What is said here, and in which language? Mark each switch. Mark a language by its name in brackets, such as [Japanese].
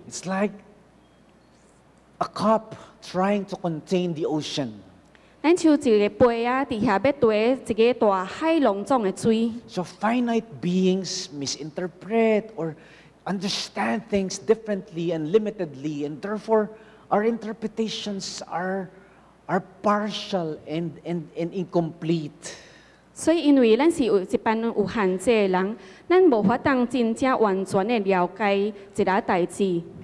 [English] It's like a cup trying to contain the ocean. [Min Nan Chinese] 咱像一个杯啊，底下要堆一个大海浓重的水。 [English] So finite beings misinterpret or understand things differently and limitedly, and therefore our interpretations are partial and incomplete. So, because we are a group of people, we cannot really understand the